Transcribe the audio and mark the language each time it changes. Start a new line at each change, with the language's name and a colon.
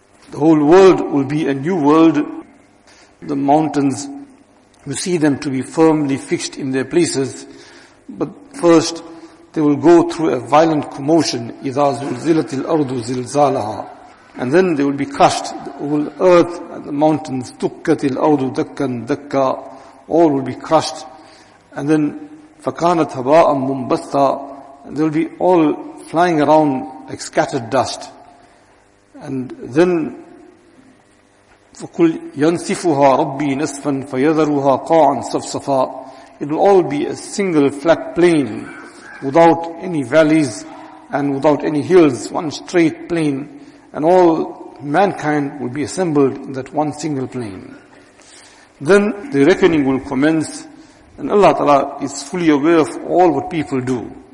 English: The whole world will be a new world. The mountains, you see them to be firmly fixed in their places. But first, they will go through a violent commotion.
Arabic: إِذَا زُلْزِلَتِ الْأَرْضُ زِلْزَالَهَا.
English: And then they will be crushed. The whole earth and the mountains,
Arabic: دُكَّتِ الْأَرْضُ دَكَّا دَكَّا.
English: All will be crushed. And then,
Arabic: فَكَانَتْ هَبَاءً مُنْبَثَّا.
English: They will be all flying around like scattered dust. And then,
Arabic: فَقُلْ يَنْسِفُهَا رَبِّي نَسْفًا فَيَذَرُهَا قَاعًا صَفْصَفًا.
English: It will all be a single flat plain, without any valleys and without any hills, one straight plain, and all mankind will be assembled in that one single plain. Then the reckoning will commence, and Allah Ta'ala is fully aware of all what people do.